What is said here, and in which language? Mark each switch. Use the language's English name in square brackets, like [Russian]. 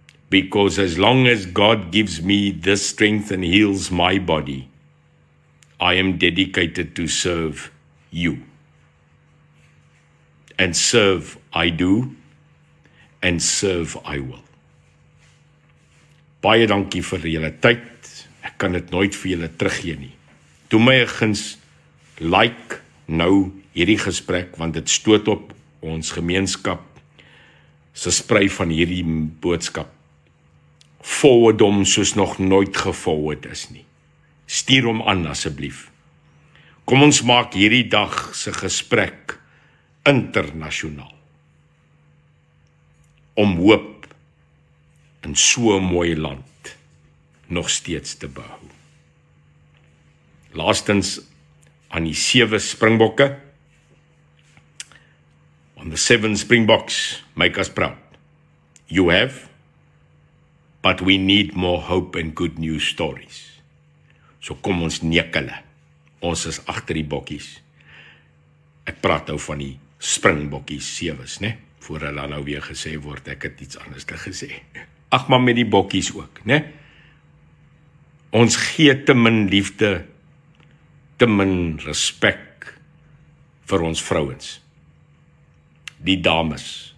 [English] Because as long as God gives me this strength and heals my body, I am dedicated to serve you. And serve I do, and serve I will. [Afrikaans] Baie dankie vir julle tyd. Ek kan dit nooit vir julle teruggee nie. Doe my 'n guns, like nou hierdie gesprek, want dit stoot op ons gemeenskap se sprei van hierdie boodskap. Forward hom soos nog nooit geforward is nie. Stuur hom aan asseblief. Kom ons maak hierdie dag se gesprek internasionaal. Om hoop in so 'n mooi land nog steeds te behou. Laastens aan die 7 springbokke. [English] On the 7 springboks, make us proud. You have, but we need more hope and good news stories. [Afrikaans] So kom ons neek hulle. Ons is agter die bokkies. Ek praat nou van die springbokkies 7s, né? Voor hulle nou weer gesê word, ek het iets anders te gesê. Ag maar met die bokkies ook, né? Ons gee te min liefde, te min respek vir ons vrouens. Die dames.